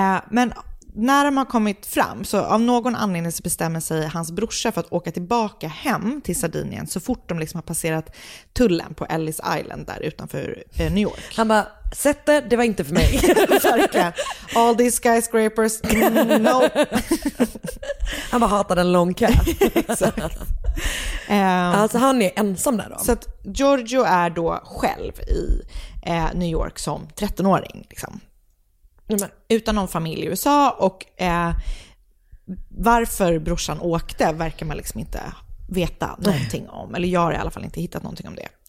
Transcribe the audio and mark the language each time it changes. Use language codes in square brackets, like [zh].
[sv] Men när de har kommit fram, så av någon anledning så bestämmer sig hans brorsa för att åka tillbaka hem till Sardinien så fort de liksom har passerat tullen på Ellis Island där utanför New York. Han bara, sätt det, det var inte för mig. [en] All these skyscrapers, no. [sv] Han bara hatade en lång kö. Exakt. Alltså han är ensam där då. Så att Giorgio är då själv i New York som 13-åring liksom. Utan någon familj i USA, och varför brorsan åkte verkar man liksom inte veta någonting om, eller jag har i alla fall inte hittat någonting om det.